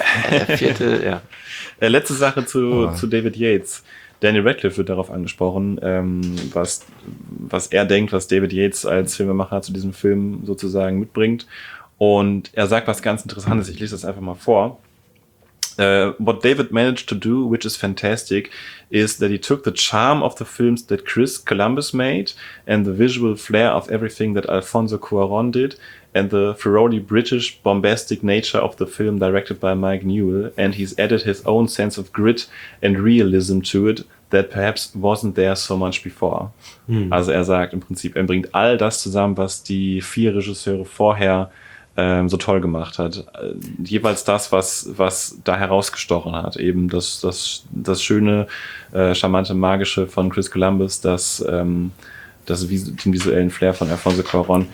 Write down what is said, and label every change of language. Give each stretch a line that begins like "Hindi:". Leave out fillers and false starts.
German: Der vierte, ja. Letzte Sache zu David Yates. Daniel Radcliffe wird darauf angesprochen, was er denkt, was David Yates als Filmemacher zu diesem Film sozusagen mitbringt. Und er sagt was ganz Interessantes. Ich lese das einfach mal vor.
English: What David managed to do, which is fantastic, is that he took the charm of the films that Chris Columbus made and the visual flair of everything that Alfonso Cuarón did and the thoroughly British bombastic nature of the film directed by Mike Newell, and he's added his own sense of grit and realism to it that perhaps wasn't there so much before. Hm.
German: Also er sagt im Prinzip, er bringt all das zusammen, was die vier Regisseure vorher so toll gemacht hat. Jeweils das, was da herausgestochen hat. Eben das schöne, charmante, magische von Chris Columbus, den visuellen Flair von Alfonso Cuarón.